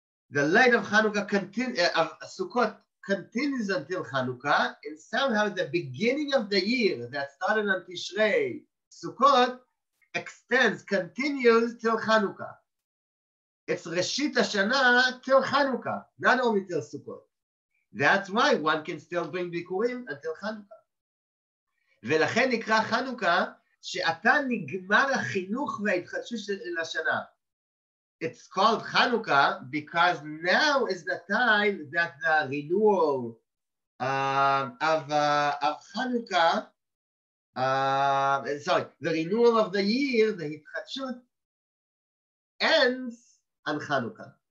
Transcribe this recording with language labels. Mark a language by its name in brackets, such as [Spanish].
[English] The light of Chanukah continues until Chanukah, and somehow the beginning of the year that started on Tishrei, Sukkot, extends, continues till Chanukah. It's Reshit Hashana till Chanukah, not only till Sukkot. That's why one can still bring Bikurim until Chanukah. [Hebrew] ולכן נקרא Chanukah, שאתה נגמר החינוך וההתחדשות של השנה. [English] It's called Chanukah because now is the time that the renewal of Chanukah, the renewal of the year, the Hitchatshut, ends on Chanukah.